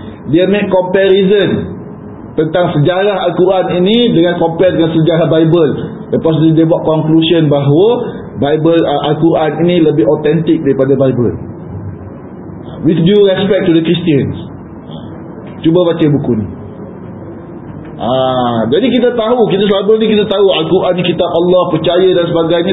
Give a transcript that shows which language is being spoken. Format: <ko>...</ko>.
<ms>Dia</ms> <en>make comparison</en> <ms>tentang sejarah Al-Quran ini dengan compare dengan sejarah Bible. Lepas tu dia buat conclusion bahawa Bible Al-Quran ini lebih authentic daripada Bible.</ms> <en>With due respect to the Christians.</en> <ms>Cuba baca buku ni. Jadi kita tahu, kita selama ni kita tahu Al-Quran ni kitab Allah, percaya dan sebagainya.</ms>